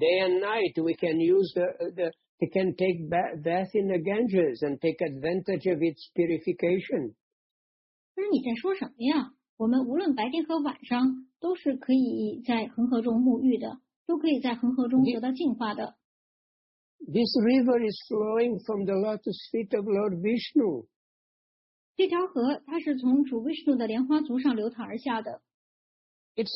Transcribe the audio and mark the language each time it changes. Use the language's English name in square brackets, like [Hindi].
[English] Day and night, we can use we can take bath in the Ganges and take advantage of its purification." [Chinese] 不是你在说什么呀？我们无论白天和晚上都是可以在恒河中沐浴的，都可以在恒河中得到净化的。 [English] This river is flowing from the lotus feet of Lord Vishnu. [Chinese] 这条河它是从主威士诺的莲花足上流淌而下的。 [English] It's